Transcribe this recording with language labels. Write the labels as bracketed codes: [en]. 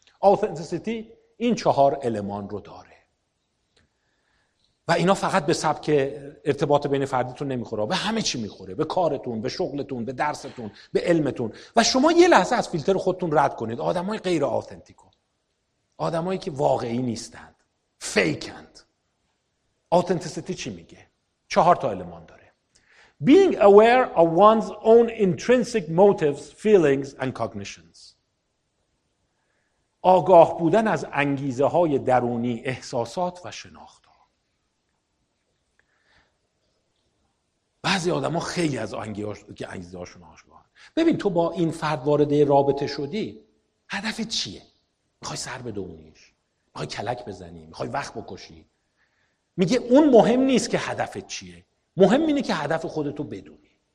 [fa] authenticity این چهار المان رو داره و اینا فقط به سبک ارتباط بین فردیتون نمیخوره، به همه چی میخوره، به کارتون، به شغلتون، به درستون، به علمتون. و شما یه لحظه از فیلتر خودتون رد کنید، آدمای غیر آتنتیک رو، آدمایی که واقعی نیستند، فیکند. [en] authenticity [fa] چی میگه؟ چهار تا المان داره: [en] being aware of one's own intrinsic motives, feelings and cognitions. [fa] آگاه بودن از انگیزه های درونی، احساسات و شناخت. بعضی آدم ها خیلی از انگیزه هاشون آشکارن. ببین تو با این فرد وارد رابطه شدی، هدفت چیه؟ میخوای سر بدونیش، میخوای کلک بزنی، میخوای وقت بکشی؟ میگه اون مهم نیست که هدفت چیه، مهم اینه که هدف خودتو بدونی.